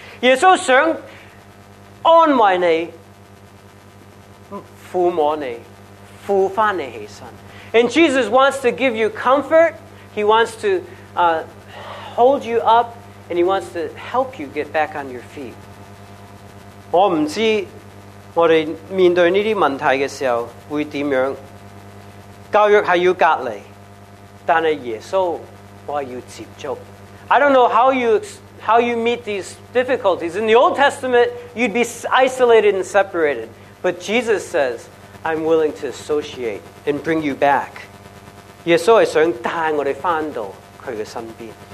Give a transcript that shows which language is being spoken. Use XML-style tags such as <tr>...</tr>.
<zh>耶稣想安慰你，抚摸你，扶回你起身。</zh> <en>And Jesus wants to give you comfort. He wants to hold you up, and he wants to help you get back on your feet.</en> <zh>我不知道我们面对这些问题的时候会怎样。教育是要隔离，但是耶稣说要接触。</zh> <en>I don't know how you meet these difficulties. In the Old Testament, you'd be isolated and separated. But Jesus says, I'm willing to associate and bring you back.</en> <zh>耶稣是想带我们回到他的身边。</zh>